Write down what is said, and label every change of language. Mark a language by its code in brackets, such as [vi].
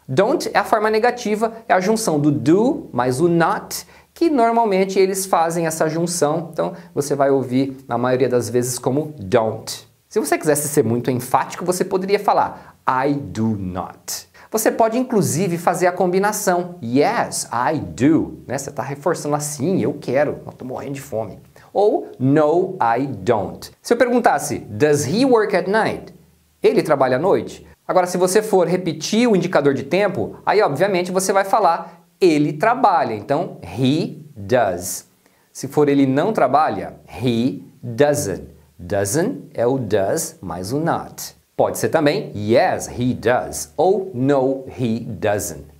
[pt] Don't é a forma negativa, é a junção do do mais o not, que normalmente eles fazem essa junção, então você vai ouvir na maioria das vezes como don't. Se você quisesse ser muito enfático, você poderia falar [en] I do not. [pt] Você pode inclusive fazer a combinação [en] yes, I do. [pt] Né? Você está reforçando assim, eu quero, eu estou morrendo de fome. [en] Ou no, I don't. [pt] Se eu perguntasse, [en] does he work at night? [pt] Ele trabalha à noite? Agora, se você for repetir o indicador de tempo, aí obviamente você vai falar ele trabalha, então [en] he does. [pt] Se for ele não trabalha, [en] he doesn't. [pt] Doesn't é o does mais o not. Pode ser também [en] yes, he does ou no, he doesn't.